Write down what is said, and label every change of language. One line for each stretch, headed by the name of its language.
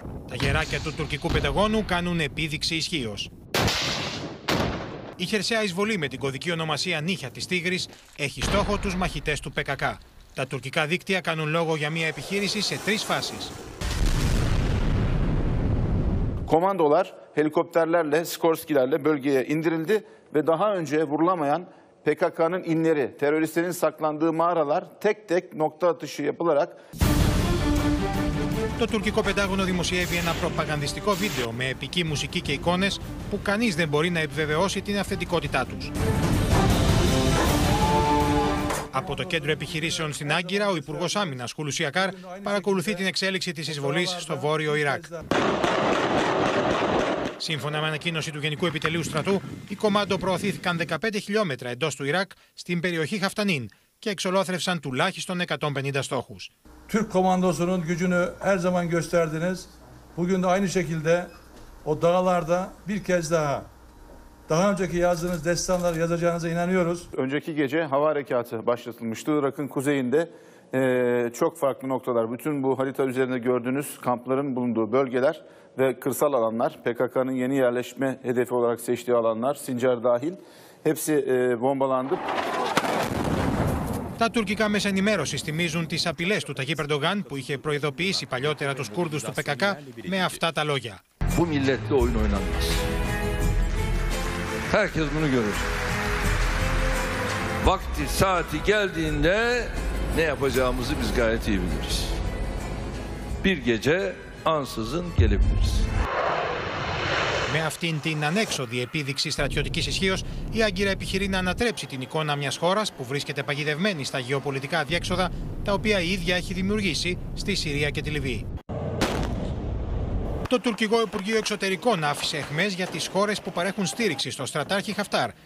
Greek: Τα γεράκια του τουρκικού πενταγώνου κάνουν επίδειξη ισχύως. Η χερσαία εισβολή με την κωδική ονομασία Νύχια της Τίγρης έχει στόχο τους μαχητές του ΠΚΚ. Τα τουρκικά δίκτυα κάνουν λόγο για μια επιχείρηση σε τρεις φάσεις.
Turkish: Komandolar helikopterlerle, Sikorskilerle bölgeye indirildi ve daha önce vurulamayan PKK'nın inleri, teröristlerin saklandığı mağaralar tek tek nokta atışı yapılarak.
Greek: Το τουρκικό πεντάγωνο δημοσιεύει ένα προπαγανδιστικό βίντεο με επική μουσική και εικόνες που κανείς δεν μπορεί να επιβεβαιώσει την αυθεντικότητά τους. Από το κέντρο επιχειρήσεων στην Άγκυρα, ο Υπουργός Άμυνας Χουλουσιακάρ παρακολουθεί την εξέλιξη της εισβολής στο Βόρειο Ιράκ. Σύμφωνα με ανακοίνωση του Γενικού Επιτελείου Στρατού, οι κομμάντο προωθήθηκαν 15 χιλιόμετρα εντός του Ιράκ στην περιοχή Χαφτανίν και εξολόθρευσαν τουλάχιστον 150 στόχους.
Turkish: Τουρκ κομμάντοσουνουν γκουτζουνου ερ ζαμαν γκοστέρδινες, bugün de aynı şekilde o dağlarda bir kez daha. Daha önceki yazdığınız destanlar yazacağınıza inanıyoruz. Önceki gece hava harekatı başlatılmıştı. Irak'ın kuzeyinde çok farklı noktalar, bütün bu harita üzerinde gördüğünüz kampların bulunduğu bölgeler ve kırsal alanlar, PKK'nın yeni yerleşme hedefi olarak seçtiği alanlar, Sincar dahil, hepsi bombalandı.
Greek: Τα τουρκικά μέσα ενημέρωσης θυμίζουν τις απειλές του Ταγί Περντογάν που είχε προειδοποιήσει παλιότερα τους Κούρδους του PKK με αυτά τα λόγια.
Turkish: Herkes bunu görür. Vakti, saati geldiğinde ne yapacağımızı biz gayet iyi biliriz. Bir gece ansızın gelebiliriz.
Greek: Με αυτήν την ανέξοδη επίδειξη στρατιωτικής ισχύως, η Άγκυρα επιχειρεί να ανατρέψει την εικόνα μιας χώρας που βρίσκεται παγιδευμένη στα γεωπολιτικά αδιέξοδα, τα οποία η ίδια έχει δημιουργήσει στη Συρία και τη Λιβύη. Το τουρκικό Υπουργείο Εξωτερικών άφησε αιχμές για τις χώρες που παρέχουν στήριξη στο στρατάρχη Χαφτάρ.